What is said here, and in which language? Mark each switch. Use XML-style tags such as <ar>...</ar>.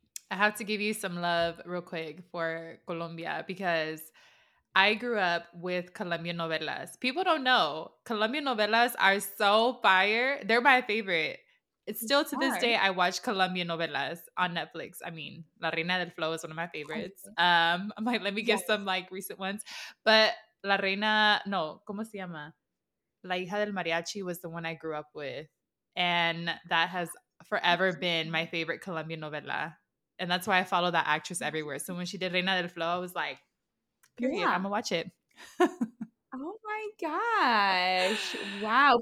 <en>I have to give you some love real quick for Colombia because I grew up with Colombian novelas. People don't know. Colombian novelas are so fire. They're my favorite. Still to this day, I watch Colombian novelas on Netflix. I mean, La Reina del Flow is one of my favorites. I'm like, let me get some like recent ones. But</en> <es>La Reina, no, ¿cómo se llama?</es> <en>La Hija del Mariachi was the one I grew up with. And that has forever been my favorite Colombian novela. And that's why I follow that actress everywhere. So when she did Reina del Flow, I was like, period. Yeah. I'm going to watch it. Oh, my gosh. Wow.</en>